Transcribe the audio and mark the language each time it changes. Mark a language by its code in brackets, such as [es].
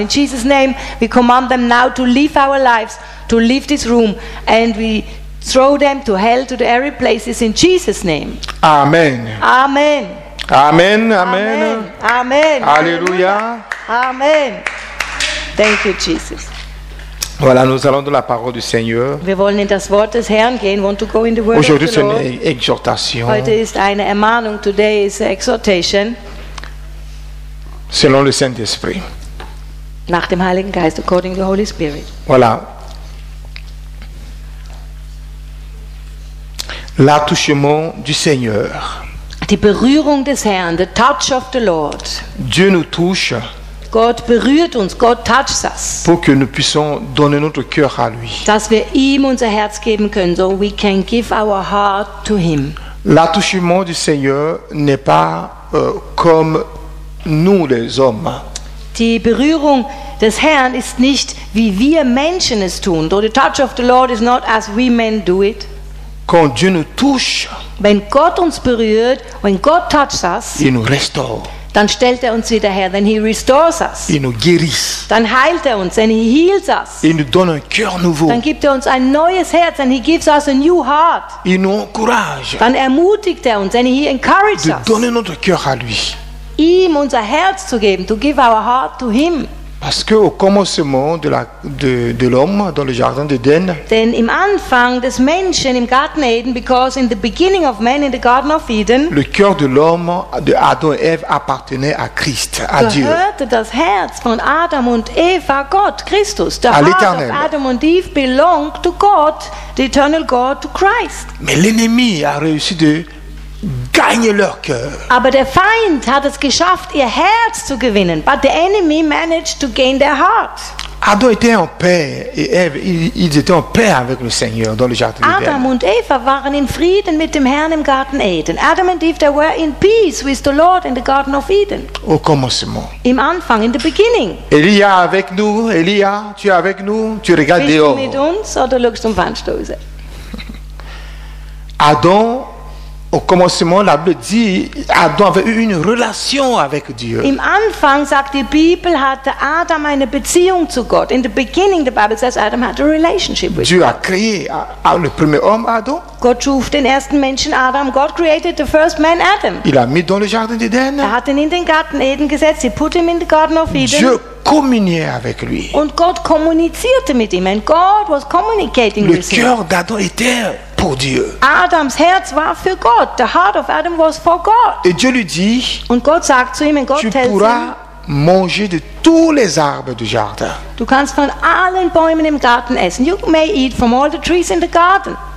[en] In Jesus' name, we command them now to leave our lives, to leave this room, and we throw them to hell, to the arid places, in Jesus' name. Amen. Amen. Amen. Amen. Amen. Alléluia. Amen. Thank you, Jesus. [fr] Voilà, nous allons dans la parole du Seigneur. [de] Wir wollen in das Wort des Herrn gehen. [en] Want to go in the word [fr] aujourd'hui, [en] of the Lord. [fr] Aujourd'hui, c'est une exhortation. [de] Heute ist eine Ermahnung. [en] Today is an exhortation. [fr] Selon le Saint-Esprit. [de] Nach dem Heiligen Geist, [en] according to the Holy Spirit. [fr] Voilà. L'attouchement du Seigneur. [de] Die Berührung des Herrn, [en] the touch of the Lord. [fr] Dieu nous touche. [de] Gott berührt uns, [en] God touches us. [fr] Pour que nous puissions donner notre cœur à lui. [de] Dass wir ihm unser Herz geben können, [en] so we can give our heart to him. [fr] L'attouchement du Seigneur n'est pas comme nous les hommes. [de] Die Berührung des Herrn ist nicht wie wir Menschen es tun. [en] The touch of the Lord is not as we men do it. [fr] Quand Dieu nous touche, [de] wenn Gott uns berührt, [en] when God touches us, [fr] il nous restaure. [de] Dann stellt uns wieder her, [en] then he restores us. [fr] Il nous guérit. [de] Dann heilt uns, [en] then he heals us. [fr] Il nous donne un cœur nouveau. [de] Dann gibt uns ein neues Herz, [en] and he gives us a new heart. [fr] Il nous encourage. [de] Dann ermutigt uns, [en] then he encourages us. [fr] De donner notre cœur à lui. [de] Ihm unser Herz zu geben, [en] to give our heart to him. [fr] Parce qu'au commencement de l'homme dans le jardin d'Eden. [de] Denn im Anfang des Menschen im Garten Eden, [en] because in the beginning of man in the Garden of Eden. [fr] Le cœur de l'homme de Adam et Ève appartenait à Christ, à Dieu. [de] Gehörte das Herz von Adam und Eva Gott, Christus. Der [fr] à l'Éternel. [en] Adam und Eve belonged to God, the eternal God, to Christ. [fr] Mais l'ennemi a réussi de gagne leur cœur. [de] Aber der Feind hat es geschafft, ihr Herz zu gewinnen. [en] But the enemy managed to gain their heart. [fr] Adam était en paix et Eve, ils étaient en paix avec le Seigneur dans le jardin d'Eden. [de] Adam und Eva waren in Frieden mit dem Herrn im Garten Eden. [en] Adam and Eve, they were in peace with the Lord in the Garden of Eden. [fr] Au commencement. [de] Im Anfang, [en] in the beginning. [fr] Elia avec nous, Elia, tu es avec nous, tu regardes dehors. [de] Bist du mit uns oder schaust du zum Fenster? Adam [fr] Au commencement, la Bible dit Adam avait eu une relation avec Dieu. [de] Im Anfang sagt die Bibel hatte Adam eine Beziehung zu Gott. [en] In the beginning the Bible says Adam had a relationship with God. [fr] Dieu a créé le premier homme Adam. [de] Gott schuf den ersten Menschen Adam. [en] God created the first man Adam. [fr] Il l'a mis dans le jardin d'Eden. [de] Er hat ihn in den Garten Eden gesetzt. [en] He put him in the Garden of Eden. [fr] Dieu communiait avec lui. [de] Und Gott kommunizierte mit ihm. [en] And God was communicating with him. [fr] Le cœur d'Adam était [de] Adams Herz war für Gott. [en] The heart of Adam was for God. [fr] Et Dieu lui dit, [de] und Gott sagt zu ihm, [fr] tu pourras manger de tous les arbres du jardin. [de] Du kannst von allen Bäumen im Garten essen. [en] You may eat from all the trees in the garden.